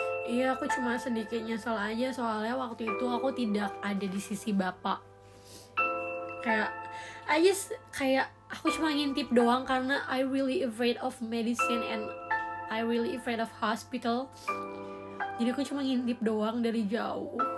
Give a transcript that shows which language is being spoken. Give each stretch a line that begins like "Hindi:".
Indonesian: Iya, aku cuma sedikit nyesel aja soalnya waktu itu aku tidak ada di sisi Bapak. Kayak aku cuma ngintip doang karena
English: I really afraid of medicine and I really afraid of hospital.
Indonesian: Jadi aku cuma ngintip doang dari jauh.